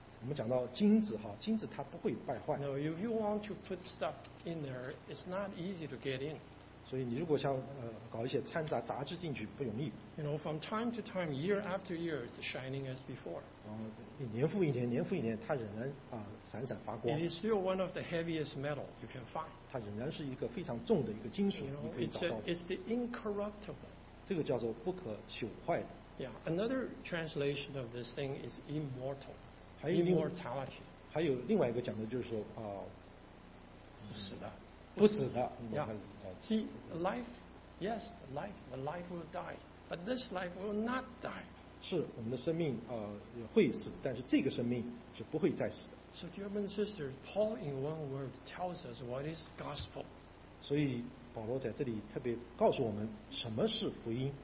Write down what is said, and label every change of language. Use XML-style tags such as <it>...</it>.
<zh>我们讲到金子哈，金子它不会败坏。</zh> <en>No, if you want to put stuff in there, it's not easy to get in.</en> <zh>所以你如果想搞一些掺杂杂质进去不容易。</zh> <en>You know, from time to time, year after year, it's shining as before.</en> <zh>年复一年，年复一年，它仍然闪闪发光。</zh> <en>It is still one of the heaviest metal you can find.</en> <zh>它仍然是一个非常重的一个金属，你可以找到。</zh> <en>It's the incorruptible.</en> <zh>这个叫做不可朽坏的。</zh> <en>Yeah, another translation of this thing is immortal. Immortality.</en> <zh>还有另外一个讲的就是说不死的，不死的。</zh> <en>Yeah. See, life, yes, life, the life will die, but this life will not die.</en> <zh>是我们的生命会死，但是这个生命是不会再死的。</zh> <en>So, dear brothers and sisters, Paul in one word tells us what is gospel.</en> <zh>所以保罗在这里特别告诉我们什么是福音。</zh>